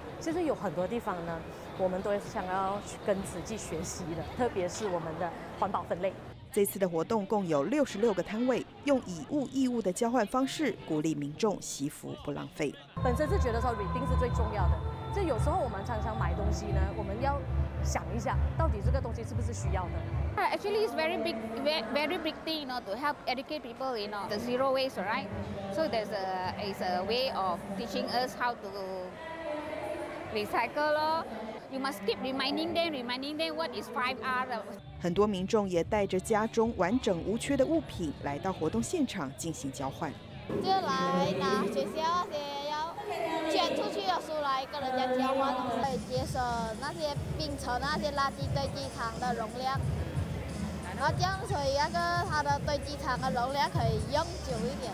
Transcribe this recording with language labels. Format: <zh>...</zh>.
<zh>其实有很多地方呢，我们都想要跟慈济学习的，特别是我们的环保分类。这次的活动共有66个摊位，用以物易物的交换方式，鼓励民众惜福不浪费。本身是觉得说 reduce 是最重要的，这有时候我们常常买东西呢，我们要想一下，到底这个东西是不是需要的。</zh> <en>Actually, it's very big, very big thing, you know, to help educate people, you know, the zero waste, right? So there's a way of teaching us how to recycle, lor. You must keep reminding them what is 5R.</en> <zh>很多民众也带着家中完整无缺的物品来到活动现场进行交换，就来拿学校那些要捐出去的书来跟人家交换，可以节省那些槟城那些垃圾堆积场的容量，然后这样所以那个它的堆积场的容量可以用久一点。</zh>